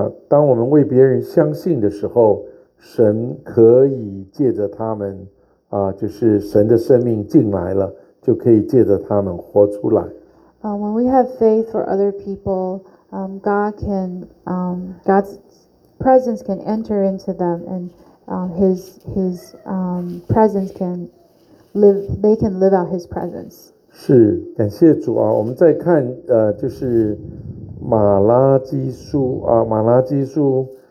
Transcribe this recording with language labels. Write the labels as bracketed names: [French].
[Chinese] 当我们为别人相信的时候，神可以借着他们，就是神的生命进来了，就可以借着他们活出来。 [English] When we have faith for other people, God's presence can enter into them, and His presence can live. They can live out His presence. [Chinese] 是，感谢主啊！我们再看，就是马拉基书啊，马拉基书，